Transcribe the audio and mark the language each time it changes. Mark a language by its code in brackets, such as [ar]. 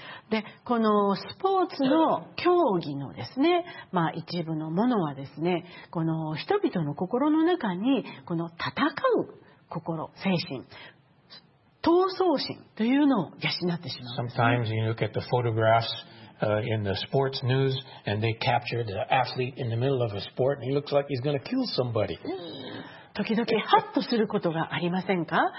[ja] で、このスポーツの競技のですね、まあ一部のものはですね、この人々の心の中にこの戦う心、精神、闘争心というのを養ってしまう、ね。 [en] Sometimes you look at the photographs in the sports news and they capture the athlete in the middle of a sport and he looks like he's going to kill somebody. [ja] 時々ハッとすることがありませんか？